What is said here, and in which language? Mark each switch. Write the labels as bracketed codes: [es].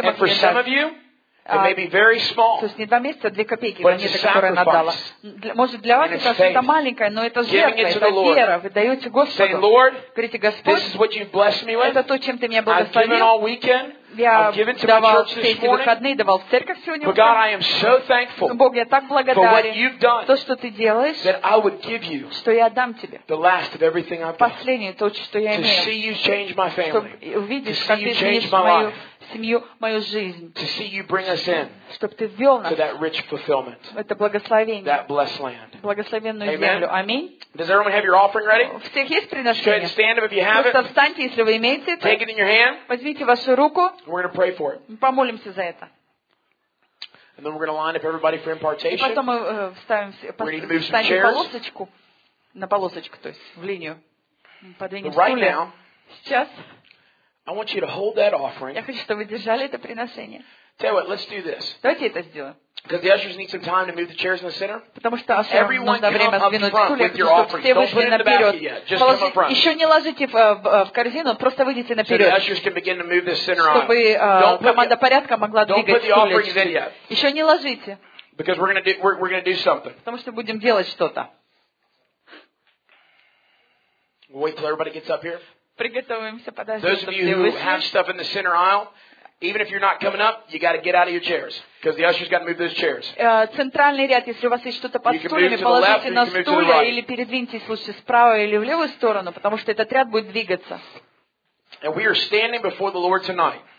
[en] and for some of you, it may be very small. [ru] То есть не два месяца, две копейки, монета, которую она дала. Может, для вас это что-то маленькое, но это жертва, это вера. [en] Lord. [ru] Вы даете Господу. [en] Say, Lord, [ru] говорите, Господь, [en] this is what you've blessed me with. [ru] Это то, чем ты меня благословил. Я давал все эти выходные, давал в церковь сегодня. [en] God, I am so thankful [ru] Бог, я так благодарен то, что ты делаешь, [en] that I would give you [ru] что я дам тебе [en] the last of everything I've [ru] последнее, то, что я имею, [en] to see you change my family, [ru] чтобы увидеть, как ты изменишь мою семью, мою жизнь, [en] to see you bring us in [ru] чтобы ты ввел нас [en] to that rich fulfillment, [ru] в это благословение, [en] that blessed land. [ru] Благословенную Amen. Землю. Аминь. [en] Does everyone have your offering ready? [ru] У всех есть приношение? [en] Just stand up if you have [ru] просто встаньте, если вы имеете это. [en] Take it in your hand. [ru] Возьмите вашу руку. [en] We're going to pray for it. [ru] Мы помолимся за это. [en] And then we're going to line up everybody for impartation. [ru] И потом мы вставим полосочку. на полосочку, то есть в линию. Подвинем [en] right now, [ru] сейчас. [en] I want you to hold that offering. [ru] Я хочу, чтобы вы держали это приношение. [en] Tell you what, let's do this. [ru] Давайте это сделаем. [en] Because the ushers need some time to move the chairs in the center. [ru] Потому что ushers нужно время сдвинуть стулья, потому что все вышли наперед. Положите, еще не ложите в корзину, просто выйдите наперед. [en] So the ushers can begin to move this center on. [ru] Чтобы команда порядка могла двигать стулья. Еще не ложите. [en] Because we're gonna do something. [ru] Потому что будем делать что-то. [en] We'll wait till everybody gets up here. [ru] Приготовимся, подождите. [en] Those of you who have stuff in the center aisle. Even if you're not coming up, you got to get out of your chairs because the ushers got to move those chairs. [ru] Центральный ряд, если у вас есть что-то под стульями, положите на стулья или передвиньтесь лучше справа или в левую сторону, потому что этот ряд будет двигаться. [en] And we are standing before the Lord tonight.